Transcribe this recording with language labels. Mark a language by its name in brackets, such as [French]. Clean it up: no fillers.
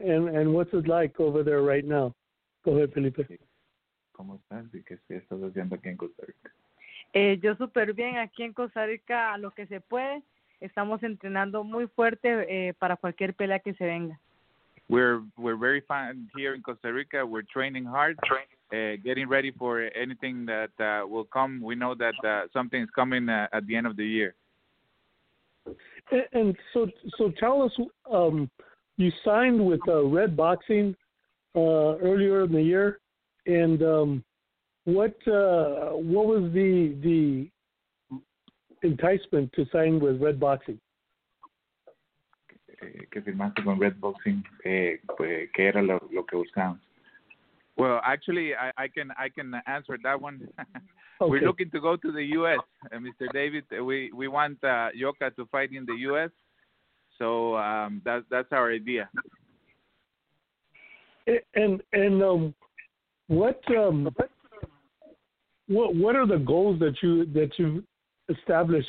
[English] And what's it like over there right now? Go ahead, Felipe. [Spanish] ¿Cómo estás? ¿Y qué estás haciendo aquí en Costa Rica? Yo súper bien aquí en Costa Rica, a lo que se puede. Estamos entrenando muy fuerte para cualquier pelea que se venga. [English] We're very fine here in Costa Rica. We're training hard, getting ready for anything that will come. We know that something is coming at the end of the year. And so tell us, you signed with Red Boxing earlier in the year. And what was the enticement to sign with Red Boxing? [Spanish] Que firmaste con Red Boxing, ¿qué era lo que buscamos? [English] Well, actually, I can answer that one. Okay. We're looking to go to the U.S., Mr. David. We want Yoka to fight in the U.S., so that's our idea. And what are the goals that you establish?